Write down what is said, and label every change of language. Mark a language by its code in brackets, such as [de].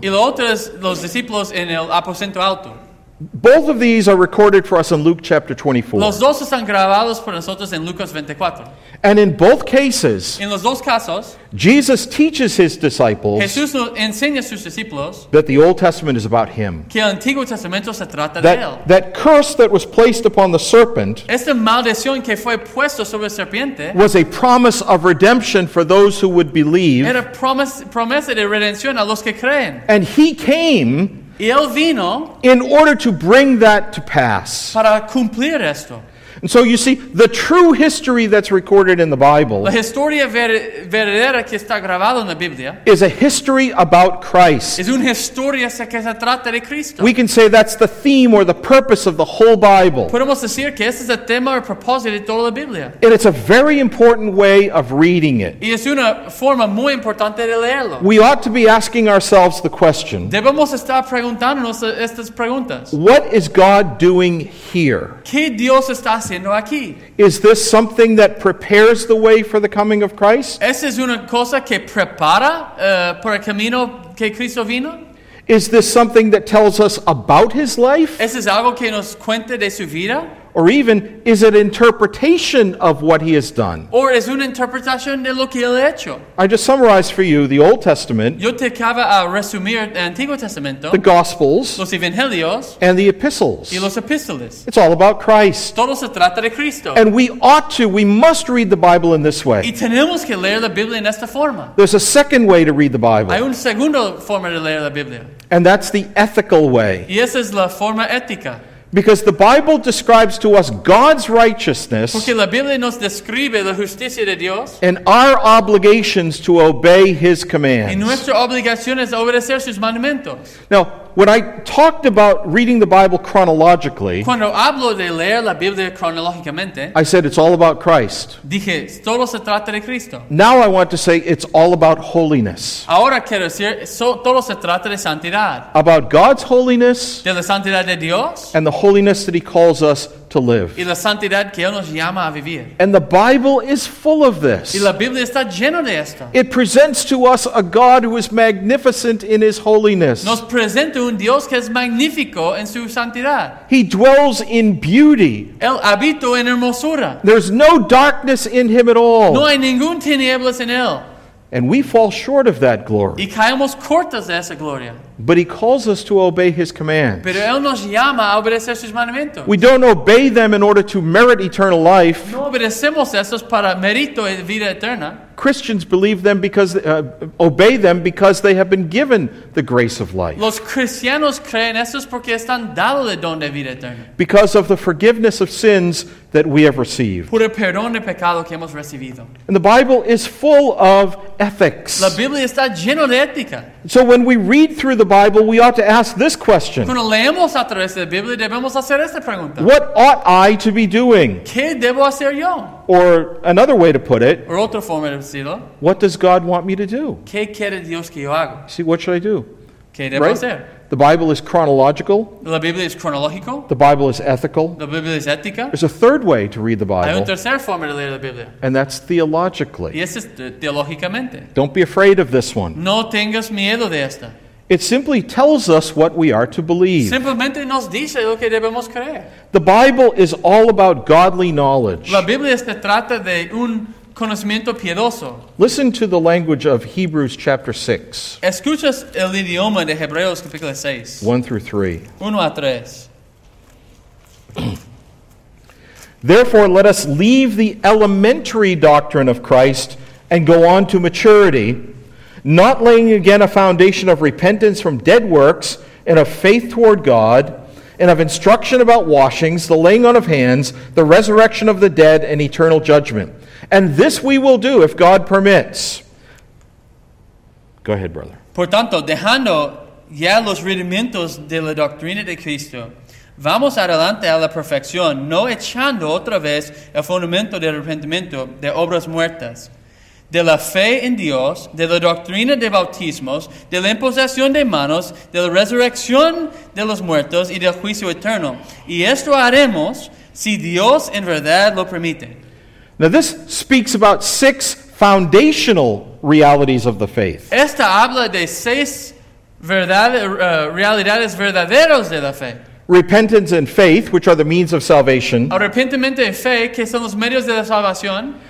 [es] Y el otro es los discípulos en el aposento alto. [en] Both of these are recorded for us in Luke chapter 24. [es] Los dos están grabados por nosotros en Lucas 24. [en] And in both cases, [es] en los dos casos, [en] Jesus teaches his disciples, [es] Jesús enseña a sus discípulos, [en] that the Old Testament is about him. [es] Que el Antiguo Testamento se trata de él. [en] That curse that was placed upon the serpent, [es] esta maldición que fue puesto sobre la serpiente, [en] was a promise of redemption for those who would believe. [es] Era promesa de redención a los que creen. [en] And he came [es] y él vino [en] in order to bring that to pass. [es] Para cumplir esto. [en] And so you see, the true history that's recorded in the Bible, [es] la historia verdadera que está grabada en la Biblia, [en] is a history about Christ. [es] Es una historia que se trata de Cristo. [en] We can say that's the theme or the purpose of the whole Bible. [es] Podemos decir que ese es el tema o propósito de toda la Biblia. [en] And it's a very important way of reading it. [es] Y es una forma muy importante de leerlo. [en] We ought to be asking ourselves the question, [es] debemos estar preguntándonos estas preguntas. [en] What is God doing here? [es] ¿Qué Dios está haciendo aquí? [en] Is this something that prepares the way for the coming of Christ? [es] ¿Esa es una cosa que prepara para el camino que Cristo vino? [en] Is this something that tells us about his life? [es] ¿Esa es algo que nos cuenta de su vida? [en] Or even, is it interpretation of what he has done? [es] ¿O es una interpretación de lo que él ha hecho? [en] I just summarized for you the Old Testament, [es] yo te acabo de resumir el Antiguo Testamento, [en] the Gospels, [es] los Evangelios, [en] and the Epistles. [es] Y los Epístolas. [en] It's all about Christ. [es] Todo se trata de Cristo. [en] And we must read the Bible in this way. [es] Y tenemos que leer la Biblia en esta forma. [en] There's a second way to read the Bible. [es] Hay una segunda forma de leer la Biblia. [en] And that's the ethical way. [es] Y esa es la forma ética. [en] Because the Bible describes to us God's righteousness, [es] porque la Biblia nos describe la justicia de Dios, [en] and our obligations to obey his commands. [es] Y nuestra obligación es obedecer sus mandamientos. [en] Now, when I talked about reading the Bible chronologically, [es] cuando hablo de leer la Biblia cronológicamente, [en] I said it's all about Christ. [es] Dije, todo se trata de Cristo. [en] Now I want to say it's all about holiness. [es] Ahora quiero decir, todo se trata de santidad. [en] About God's holiness, [es] de la santidad de Dios, [en] and the holiness that he calls us to live. [es] Y la santidad que él nos llama a vivir. [en] And the Bible is full of this. [es] Y la Biblia está llena de esto. [en] It presents to us a God who is magnificent in his holiness. [es] Nos presenta un Dios que es magnífico en su santidad. [en] He dwells in beauty. [es] Él habita en hermosura. [en] There's no darkness in him at all. [es] No hay ningún tinieblas en él. [en] And we fall short of that glory. [es] Y caemos cortos de esa gloria. [en] But he calls us to obey his commands. [es] Pero él nos llama a obedecer sus mandamientos. [en] We don't obey them in order to merit eternal life. [es] No obedecemos esos para mérito de vida eterna. [en] Christians believe them because obey them because they have been given the grace of life. [es] Los cristianos creen esos porque están dados el don de vida eterna. [en] Because of the forgiveness of sins that we have received. [es] Por el perdón de pecado que hemos recibido. [en] And the Bible is full of ethics. [es] La Biblia está llena de ética. [en] So when we read through the Bible, we ought to ask this question. [es] Cuando leemos a través de la Biblia, debemos hacer esta pregunta. [en] What ought I to be doing? [es] ¿Qué debo hacer yo? [en] Or another way to put it, or [es] otra forma de decirlo, [en] what does God want me to do? [es] ¿Qué quiere Dios que yo haga? [en] See, what should I do? [es] ¿Qué debo [en] right? [es] hacer? [en] The Bible is chronological. [es] La Biblia es cronológico. [en] The Bible is ethical. [es] La Biblia es ética. [en] There's a third way to read the Bible. [es] Hay una tercera forma de leer la Biblia. [en] And that's theologically. [es] Y eso es teológicamente. [en] Don't be afraid of this one. [es] No tengas miedo de esta. [en] It simply tells us what we are to believe. [es] Simplemente nos dice lo que debemos creer. [en] The Bible is all about godly knowledge. [es] La Biblia se trata de un conocimiento piedoso. [en] Listen to the language of Hebrews chapter 6. [es] Escuchas el idioma de Hebreos capítulo 6. [en] 1 through 3. [es] 1 a 3. [en] Therefore, let us leave the elementary doctrine of Christ and go on to maturity, not laying again a foundation of repentance from dead works and of faith toward God, and of instruction about washings, the laying on of hands, the resurrection of the dead, and eternal judgment. And this we will do if God permits. Go ahead, brother. [es] Por tanto, dejando ya los rudimentos de la doctrina de Cristo, vamos adelante a la perfección, no echando otra vez el fundamento del arrepentimiento de obras muertas, de la fe en Dios, de la doctrina de bautismos, de la imposición de manos, de la resurrección de los muertos y del juicio eterno. Y esto haremos si Dios en verdad lo permite. [en] Now this speaks about six foundational realities of the faith. [es] Esta habla de seis realidades verdaderas de la fe. [en] Repentance and faith, which are the means of salvation. [es] Arrepentimiento y fe, que son los medios de la salvación.